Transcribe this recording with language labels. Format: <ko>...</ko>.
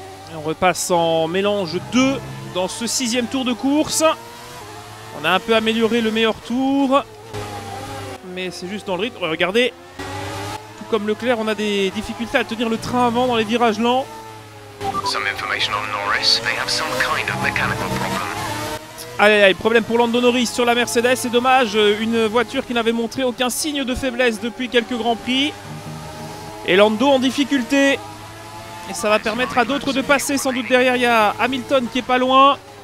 <fr>Et on repasse en mélange 2 dans ce sixième tour de course. On a un peu amélioré le meilleur tour, mais c'est juste dans le rythme. Regardez, tout comme Leclerc, on a des difficultés à tenir le train avant dans les virages lents.</fr> <en>Some information on Norris. They have some kind of mechanical problem.</en> <fr>Allez, allez, problème pour Lando Norris sur la Mercedes. C'est dommage, une voiture qui n'avait montré aucun signe de faiblesse depuis quelques Grands Prix. Et Lando en difficulté. Et ça va permettre à d'autres de passer. Sans doute derrière, il y a Hamilton qui est pas loin.</fr>